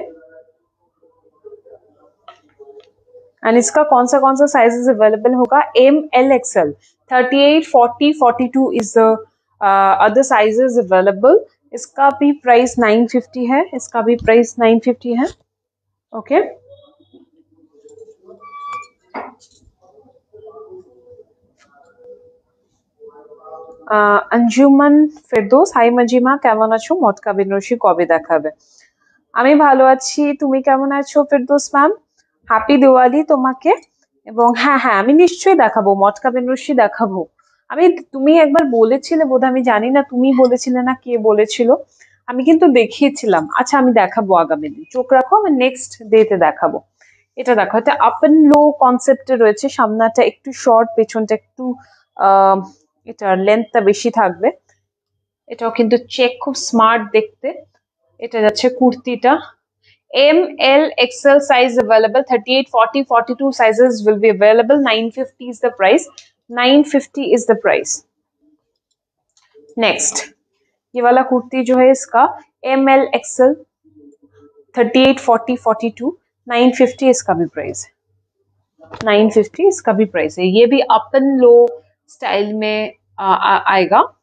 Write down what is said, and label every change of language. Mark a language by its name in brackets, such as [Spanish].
[Hindi] And इसका कौन सा साइजेस अवेलेबल होगा। M, L, XL, 38, 40, 42 is the other sizes available. इसका भी प्राइस 950 है, इसका भी प्राइस 950 है। [Bangla] ओके अंजुमन ফেরদৌস, হাই মঞ্জিমা, কেমন আছো? মটকা বিনোশি কবে দেখাবে? আমি ভালো আছি, তুমি কেমন আছো ফেরদৌস ম্যাম? হ্যাপি দিওয়ালি তোমাকে, এবং হ্যাঁ হ্যাঁ আমি নিশ্চয়ই দেখাবো মটকা বিনোশি দেখাবো। আমি তুমি একবার বলেছিলে বোধ, আমি জানি না তুমি বলেছিলে না কে বলেছিল, আমি কিন্তু দেখিয়েছিলাম। আচ্ছা আমি দেখাবো আগামী দিন, চোখ রাখো, আমি নেক্সট ডেতে দেখাবো। এটা দেখো, এটা আপেন লো কনসেপ্টে রয়েছে, সামনেটা একটু শর্ট, পেছনটা একটু এটার লেন্থটা বেশি থাকবে। এটাও কিন্তু চেক, খুব স্মার্ট দেখতে। এটা যাচ্ছে কুর্তিটা, M L XL size available, 38, 40, 42 sizes will be available. [English] 950 is the price, 950 is the price. [Hindi] Next ये वाला कुर्ती जो है इसका एम एल एक्सएल 38, 40, 42, 950 इसका भी प्राइस है, 950 इसका भी प्राइस है। ये भी अपन लो स्टाइल में आएगा।